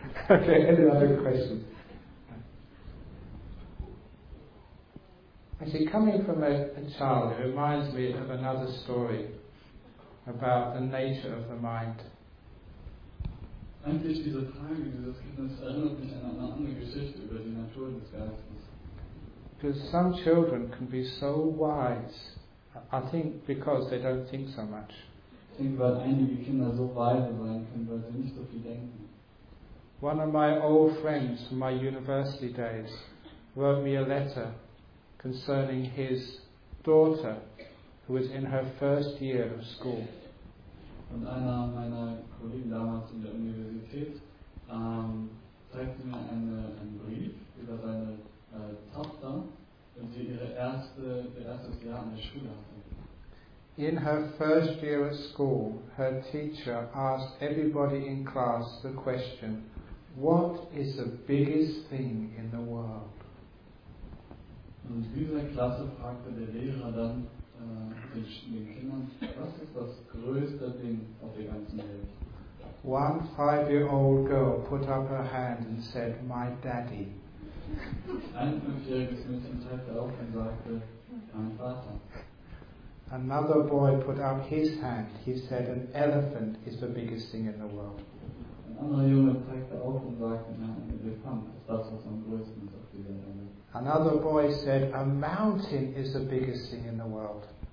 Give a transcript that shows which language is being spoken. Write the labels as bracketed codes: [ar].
[en] Okay, any other questions? Actually, coming from a child, it reminds me of another story about the nature of the mind. [de] Eigentlich diese Frage dieses Kindes erinnert mich an eine andere Geschichte über die Natur des Geistes. [en] Because some children can be so wise, I think because they don't think so much. [de] Ich denke, weil einige Kinder so weise sein können, weil sie nicht so viel denken. [en] One of my old friends from my university days wrote me a letter concerning his daughter who was in her first year of school. [de] Und einer meiner Kollegen damals in der Universität zeigte mir einen Brief über seine Tochter, wenn sie ihr erstes Jahr an der Schule hatte. [en] In her first year of school, her teacher asked everybody in class the question, what is the biggest thing in the world? [de] Und in dieser Klasse fragte der Lehrer dann den Kindern, was ist das größte Ding auf der ganzen Welt? [en] One 5-year-old girl put up her hand and said, my daddy. [de] Ein 5-jähriges Mädchen zeigte auf und sagte, mein Vater. [en] Another boy put up his hand. He said, an elephant is the biggest thing in the world. [de] Ein anderer Junge zeigte auf und sagte, ein Elefant ist das, was am größten ist auf dieser Welt. [en] Another boy said, a mountain is the biggest thing in the world.